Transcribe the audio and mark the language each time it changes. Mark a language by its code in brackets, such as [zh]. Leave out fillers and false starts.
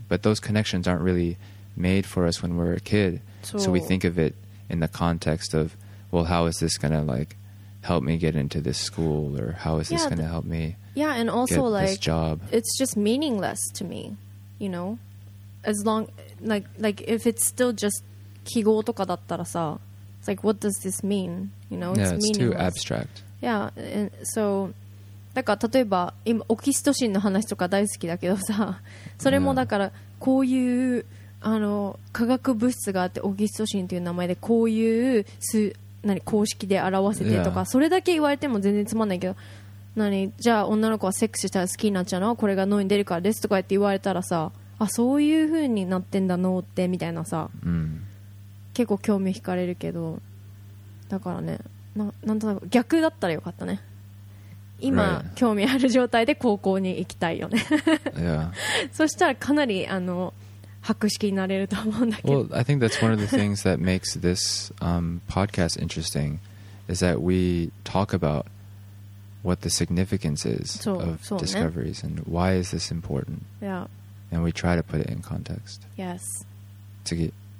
[en] But those connections aren't really made for us when we're a kid, so we think of it in the context of, well, how is this going to like help me get into this school, or how is this going to help me and also get like this job? It's just meaningless to me, you know, as long like if it's still just [ja] 記号とかだったらさ, [en] it's like, what does this mean, you know? It's too abstract. [ja] So だから例えば今オキシトシンの話とか大好きだけどさ、それもだからこういうあの化学物質があってオキシトシンという名前でこういう数何公式で表せてとか、それだけ言われても全然つまんないけど、何じゃあ女の子はセックスしたら好きになっちゃうの、これが脳に出るからですとか言って言われたらさ、あそういう風になってんだ脳ってみたいなさ、結構興味惹かれるけど、だからね、なんとなく逆だったらよかったね、今、興味ある状態で高校に行きたいよね。そしたらかなりあの白色になれると思うんだけど。 [en] Well, I think that's one of the things that makes this podcast interesting is that we talk about what the significance is of discoveries and why is this important. Yeah. And we try to put it in context. Yes. [ja] 次。